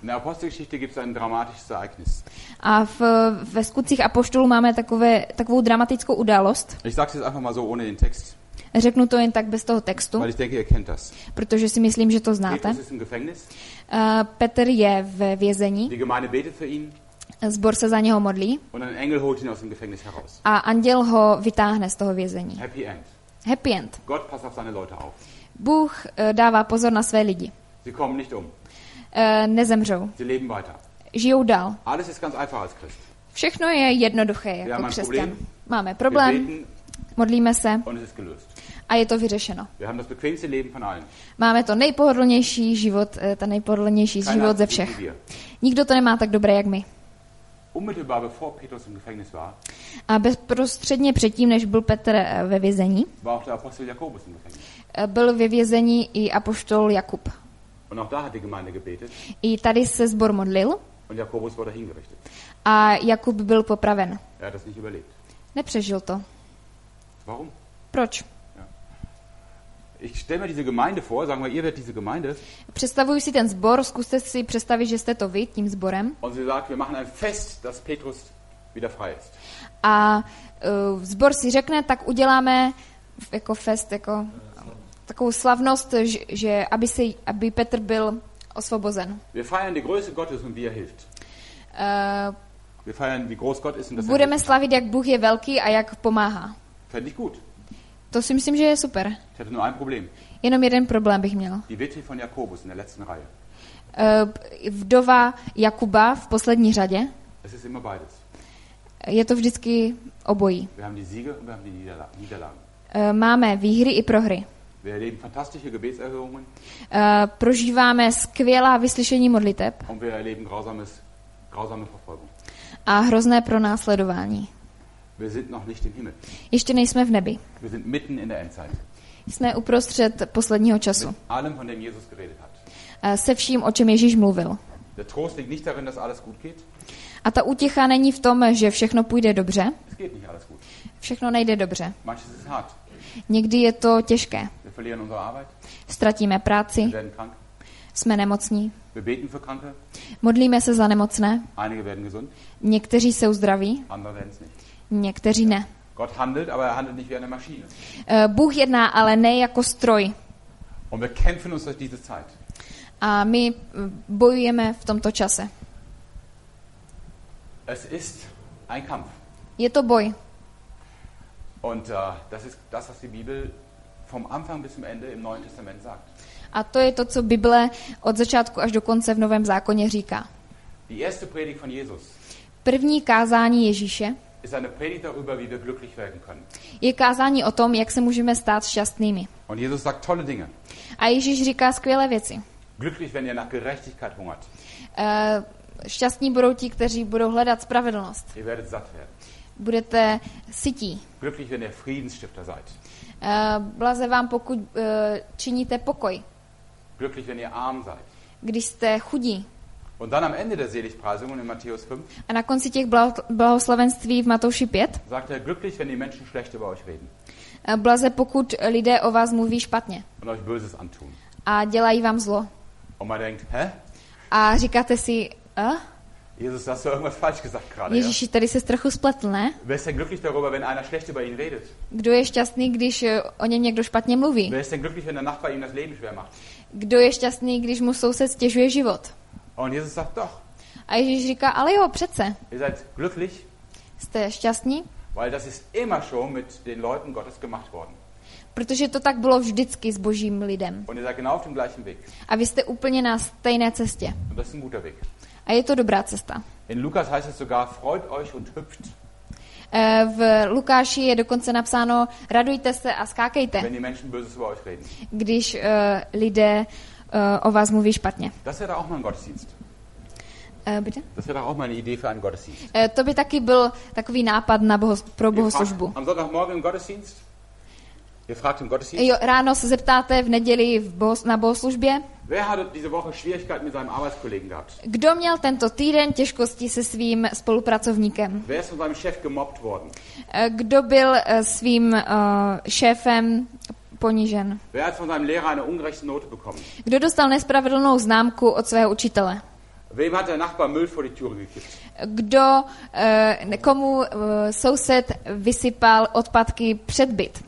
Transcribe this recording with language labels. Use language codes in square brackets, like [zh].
[de] In der Apostelgeschichte gibt's ein dramatisches Ereignis. [cs] A ve Skutcích apoštolů máme takovou dramatickou událost. [de] Ich sag's jetzt einfach mal so ohne den Text. [cs] Řeknu to jen tak bez toho textu. [de] Weil ich denke, ihr kennt das. [cs] Protože si myslím, že to znáte. [de] Petrus ist im Gefängnis. [cs] Petr je ve vězení. [de] Die Gemeinde betet für ihn. [cs] Zbor se za něho modlí. [de] Und ein Engel holt ihn aus dem Gefängnis heraus. [cs] A anděl ho vytáhne z toho vězení. [de] Happy end. [cs] Happy end. [de] Gott passt auf seine Leute auf. [cs] Bůh dává pozor na své lidi. [de] Sie kommen nicht um. [cs] Nezemřou. [de] Sie leben weiter. [cs] Žijou dál. [de] Alles ist ganz einfach als Christ. [cs] Všechno je jednoduché jako křesťan. Máme problém. [de] Wir beten, [cs] modlíme se. [de] Und es ist gelöst. [cs] A je to vyřešeno. [de] Wir haben das bequemste Leben von allen. [cs] Máme to nejpohodlnější život, ten nejpohodlnější [de] Keiner [cs] život ze všech. Nikdo to nemá tak dobré jak my. [de] Unmittelbar bevor Petrus im Gefängnis war. [cs] A bezprostředně předtím, než byl Petr ve vězení. [de] War auch der Apostel Jakobus im Gefängnis. [cs] Byl ve vězení i apoštol Jakub. [de] Und auch da hat die Gemeinde gebetet. [cs] I tady se zbor modlil. [de] Und Jakobus wurde hingerichtet. [cs] A Jakub byl popraven. [de] Er hat das nicht überlebt. [cs] Nepřežil to. [de] Warum? [cs] Proč? [de] Ja. Ich stelle mir diese Gemeinde vor, sagen wir, ihr werdet diese Gemeinde. [cs] Představuji si ten zbor, zkuste si představit, že jste to vy tím zborem. [de] Und sie sagt, wir machen ein Fest, dass Petrus wieder frei ist. [cs] A zbor si řekne, tak uděláme jako fest, jako takovou slavnost, že aby Petr byl osvobozen. [de] Wir feiern die Größe Gottes und wie er hilft. Wir feiern wie groß Gott ist und dass [cs] budeme slavit, jak Bůh je velký a jak pomáhá. [de] Fänd ich gut. [cs] To si myslím, že je super. [de] Ich hätte nur ein Problem. [cs] Jenom jeden problém bych měl. [de] Die Witwe von Jakobus in der letzten Reihe. [cs] Vdova Jakuba v poslední řadě. [de] Es ist immer beides. [cs] Je to vždycky obojí. [de] Wir haben die Siege und wir haben die Niederlagen. [cs] Máme výhry i prohry. [de] Wir erleben fantastische Gebetserhörungen. [cs] Prožíváme skvělá vyslyšení modliteb. [de] Und wir erleben grausame Verfolgung. [cs] A hrozné pronásledování. [de] Wir sind noch nicht im Himmel. [cs] Ještě nejsme v nebi. [de] Wir sind mitten in der Endzeit. [cs] Jsme uprostřed posledního času. [de] Mit allem, von dem Jesus geredet hat. [cs] Se vším, o čem Ježíš mluvil. [de] Der Trost liegt nicht darin, dass alles gut geht. [cs] A ta útěcha není v tom, že všechno půjde dobře. [de] Es geht nicht alles gut. [cs] Všechno nejde dobře. [de] Manches ist hart. [cs] Někdy je to těžké. [de] Wir verlieren unsere Arbeit. [cs] Ztratíme práci. [de] Wir werden krank. [cs] Jsme nemocní. [de] Wir beten für Kranke. [cs] Modlíme se za nemocné. [de] Einige werden gesund. [cs] Někteří se uzdraví. [de] Andere werden es nicht. [cs] Někteří ne. [de] Gott handelt, aber er handelt nicht wie eine Maschine. [cs] Bůh jedná, ale ne jako stroj. [de] Und wir kämpfen uns durch diese Zeit. [cs] A my bojujeme v tomto čase. [de] Es ist ein Kampf. [cs] Je to boj. [de] Und das ist das, was die Bibel vom Anfang bis zum Ende im Neuen Testament sagt. [cs] A to je to, co Bible od začátku až do konce v Novém zákoně říká. [de] Die erste Predigt von Jesus. [cs] První kázání Ježíše. [de] Ist eine Predigt darüber, wie wir glücklich werden können. [cs] Je kázání o tom, jak se můžeme stát šťastnými. [de] Und Jesus sagt tolle Dinge. [cs] A Ježíš říká skvělé věci. [de] Glücklich, wenn ihr nach Gerechtigkeit hungert. [cs] Šťastní budou ti, kteří budou hledat spravedlnost. [de] Ihr werdet satt werden. [cs] Budete sytí. [de] Glücklich, wenn ihr Friedensstifter seid. [cs] Blaze vám, pokud činíte pokoj. [de] Glücklich, wenn ihr arm seid. [cs] Když jste chudí. [de] Und dann am Ende der Seligpreisungen in Matthäus 5. [cs] A na konci těch blahoslavenství v Matouši 5. [de] Sagt er glücklich, wenn die Menschen schlecht über euch reden. [cs] Blaze, pokud lidé o vás mluví špatně. [de] Und euch böses antun. [cs] A dělají vám zlo. [de] Und man denkt, hä? [cs] A říkáte si, [de] Jesus, hast du irgendwas falsch gesagt gerade? [cs] Ježíši, tady ses trochu spletl, ne? [de] Wer ist denn glücklich darüber, wenn einer schlecht über ihn redet? [cs] Kdo je šťastný, když o něm někdo špatně mluví? [de] Wer ist denn glücklich, wenn der Nachbar ihm das Leben schwer macht? [cs] Kdo je šťastný, když mu soused stěžuje život? [de] Und Jesus sagt doch. [cs] A Ježíš říká, ale jo, přece. [de] Ihr seid glücklich. [cs] Jste šťastní. [de] Weil das ist immer schon mit den Leuten Gottes gemacht worden. [cs] Protože to tak bylo vždycky s Božím lidem. [de] Und ihr seid genau auf dem gleichen Weg. [cs] A vy jste úplně na stejné cestě. [de] Und das ist ein guter Weg. [cs] A je to dobrá cesta. [de] In Lukas heißt es sogar, freut euch und hüpft. [cs] V Lukáši je dokonce napsáno, radujte se a skákejte. [de] Wenn die Menschen böses über euch reden. [cs] Když lidé o vás mluví špatně. [de] Das wäre auch mal ein Gottesdienst. Bitte? Das wäre auch mal eine Idee für einen Gottesdienst. [cs] To by taky byl takový nápad na pro bohoslužbu. [de] Am Sonntagmorgen im Gottesdienst? Ihr fragt im Gottesdienst? [cs] Jo, ráno se zeptáte v neděli na bohoslužbě. [de] Wer hat diese Woche Schwierigkeiten mit seinem Arbeitskollegen gehabt? [cs] Kdo měl tento týden těžkosti se svým spolupracovníkem? [de] Wer ist von seinem Chef gemobbt worden? [cs] Kdo byl svým šéfem ponížen? [de] Wer hat von seinem Lehrer eine ungerechte Note bekommen? [cs] Kdo dostal nespravedlnou známku od svého učitele? [de] Wem hat der Nachbar Müll vor die Tür gekippt? [cs] Kdo komu soused vysypal odpadky před byt?